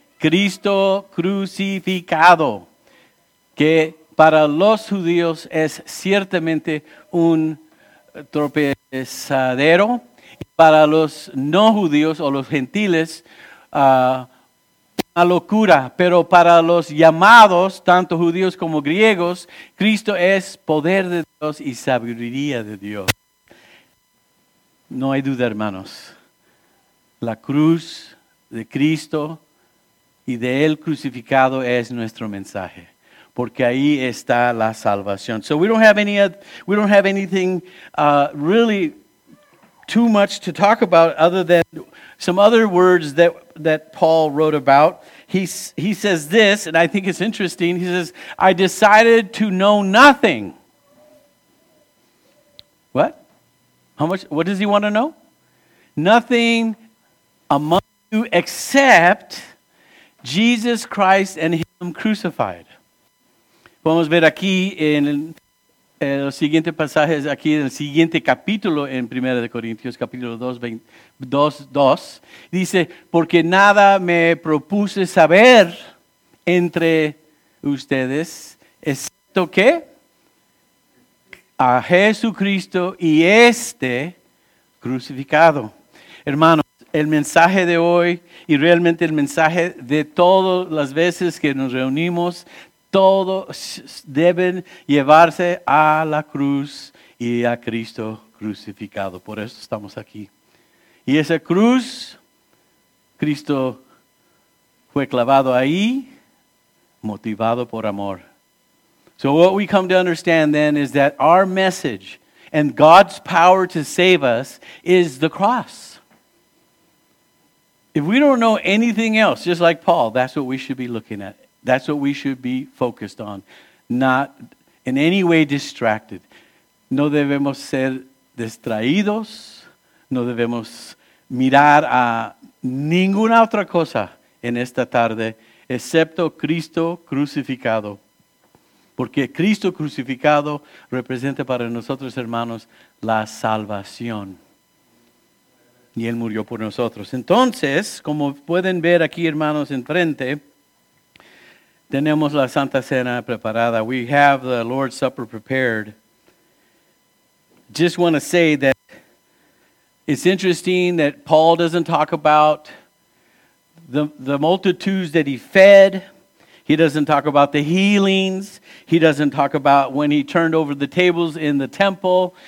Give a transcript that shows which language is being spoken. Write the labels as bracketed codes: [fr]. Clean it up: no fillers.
[es] Cristo crucificado, que para los judíos es ciertamente un tropezadero, y para los no judíos o los gentiles una locura, pero para los llamados, tanto judíos como griegos, Cristo es poder de Dios y sabiduría de Dios. No hay duda, hermanos. La cruz de Cristo y de Él crucificado es nuestro mensaje, porque ahí está la salvación. [en] So we don't have anything really too much to talk about other than some other words that Paul wrote about. He says this, and I think it's interesting. He says, I decided to know nothing. What? How much? What does he want to know? Nothing among you except Jesus Christ and Him crucified. [es] Podemos ver aquí en los siguientes pasajes, aquí en el siguiente capítulo en 1 de Corintios, capítulo 2:2, dice, porque nada me propuse saber entre ustedes, excepto que a Jesucristo y este crucificado. Hermanos, el mensaje de hoy y realmente el mensaje de todas las veces que nos reunimos, todos deben llevarse a la cruz y a Cristo crucificado. Por eso estamos aquí. Y esa cruz, Cristo fue clavado ahí, motivado por amor. [en] So what we come to understand then is that our message and God's power to save us is the cross. If we don't know anything else, just like Paul, that's what we should be looking at. That's what we should be focused on. Not in any way distracted. [es] No debemos ser distraídos. No debemos mirar a ninguna otra cosa en esta tarde, excepto Cristo crucificado. Porque Cristo crucificado representa para nosotros, hermanos, la salvación. Y Él murió por nosotros. Entonces, como pueden ver aquí, hermanos, enfrente, tenemos la Santa Cena preparada. [en] We have the Lord's Supper prepared. Just want to say that it's interesting that Paul doesn't talk about the multitudes that he fed. He doesn't talk about the healings. He doesn't talk about when he turned over the tables in the temple.